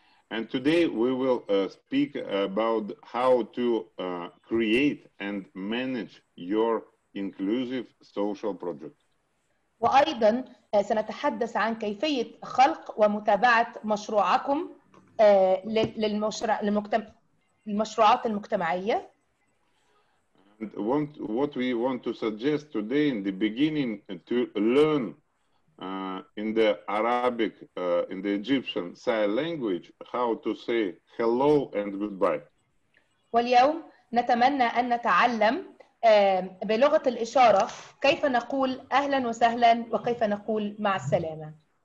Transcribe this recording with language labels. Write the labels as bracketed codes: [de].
[en] And today we will speak about how to create and manage your inclusive social project. [ar] وأيضا سنتحدث عن كيفية خلق ومتابعة مشروعكم للمشروعات المجتمعية. [en] And what we want to suggest today in the beginning to learn in the Arabic, in the Egyptian sign language, how to say hello and goodbye. [ar] واليوم نتمنى أن نتعلم بلغة الإشارة كيف نقول أهلا وسهلا وكيف نقول مع السلامة.